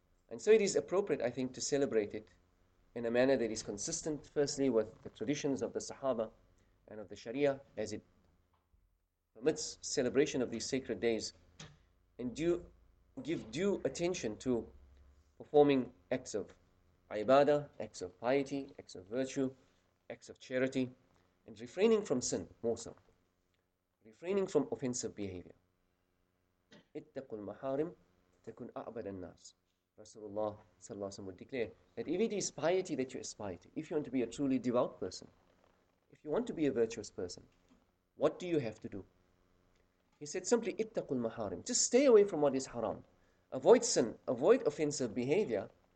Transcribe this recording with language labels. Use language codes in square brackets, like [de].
[en] And so it is appropriate, I think, to celebrate it in a manner that is consistent, firstly, with the traditions of the Sahaba and of the Sharia, as it permits celebration of these sacred days, and give due attention to performing acts of ibadah, acts of piety, acts of virtue, acts of charity, and refraining from sin, more so. Refraining from offensive behavior. [ar] اتقوا المحارم تكون أعبد الناس. [en] Rasulullah sallallahu alaihi wasallam would declare that if it is piety that you aspire to, if you want to be a truly devout person, if you want to be a virtuous person, what do you have to do? He said simply, [ar] اتقوا المحارم. [en] Just stay away from what is haram. Avoid sin, avoid offensive behavior.